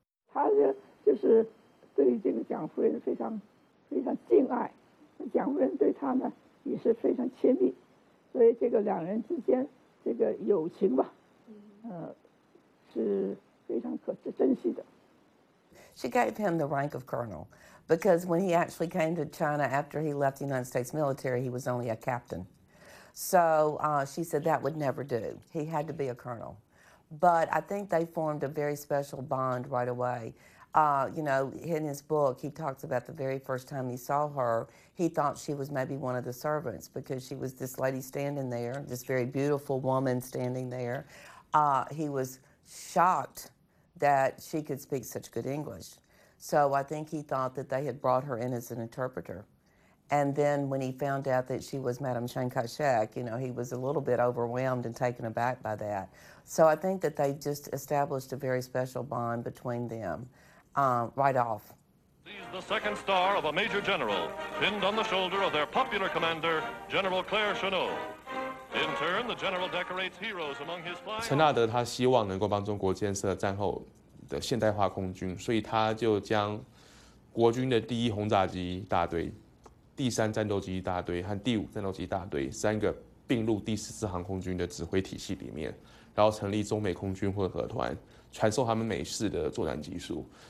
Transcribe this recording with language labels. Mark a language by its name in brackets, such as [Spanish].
[Chinese] 他就是对于这个蒋夫人非常非常敬爱，蒋夫人对他呢也是非常亲密，所以这个两人之间这个友情吧，是非常可珍惜的。 [English] She gave him the rank of colonel, because when he actually came to China after he left the United States military, he was only a captain. So, she said that would never do. He had to be a colonel. But I think they formed a very special bond right away. You know, in his book, he talks about the very first time he saw her, he thought she was maybe one of the servants because she was this lady standing there, this very beautiful woman standing there. He was shocked that she could speak such good English. So I think he thought that they had brought her in as an interpreter. And then when he found out that she was Madame Chiang Kai-shek, you know, he was a little bit overwhelmed and taken aback by that. So I think that they just established a very special bond between them. Right off. He's the second star of a major general, pinned on the shoulder of their popular commander, General Claire Chennault. In turn, the general decorates heroes among his flying. [Chinese] 陈纳德他希望能够帮中国建设战后的现代化空军，所以他就将国军的第一轰炸机大队、第三战斗机大队和第五战斗机大队三个并入第14航空军的指挥体系里面，然后成立中美空军混合团，传授他们美式的作战技术。